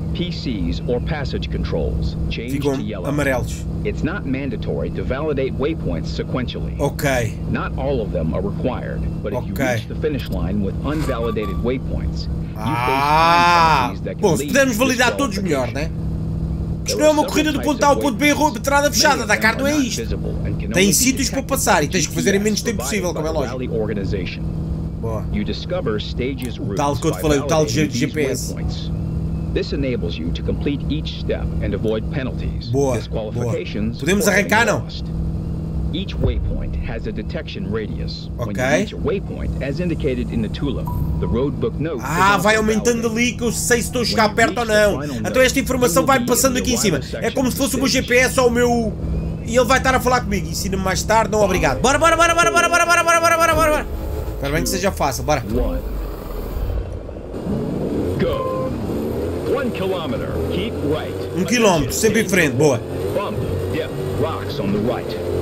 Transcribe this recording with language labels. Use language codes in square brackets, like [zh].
[en] PCs or passage controls change [pt] Ficam [en] to yellow. [pt] Amarelos. [en] It's not mandatory to validate waypoints sequentially. Okay. Not all of them are required, but if okay. You reach the finish line with unvalidated waypoints, you face time penalties that can lead to disqualification. [pt] Isto não é uma corrida do ponto A ao ponto B, entrada fechada, Dakar não é isto. Tem sítios para passar e tens que fazer em menos tempo possível, como é lógico. Boa. O tal que eu te falei, o tal de GPS. [en] This enables you to complete each step and avoid penalties. [pt] Boa, boa. Podemos arrancar, não? [en] Each waypoint has a detection radius. Ok. When you reach a waypoint, as indicated in the tulip, the roadbook note. [pt] Ah, vai aumentando ali que eu sei se estou a chegar perto ou não. Então esta informação vai passando aqui em cima. É como se fosse o meu GPS ou o meu. E ele vai estar a falar comigo. Ensina-me mais tarde, não obrigado. Bora, bora, bora, bora, bora, bora, bora, bora, bora, bora, bora, bora. Espero bem que seja fácil, bora. [en] Go. 1 kilometer, keep right. [pt] 1 quilômetro, sempre em frente, boa. [en] Bump, dip, rocks on the right.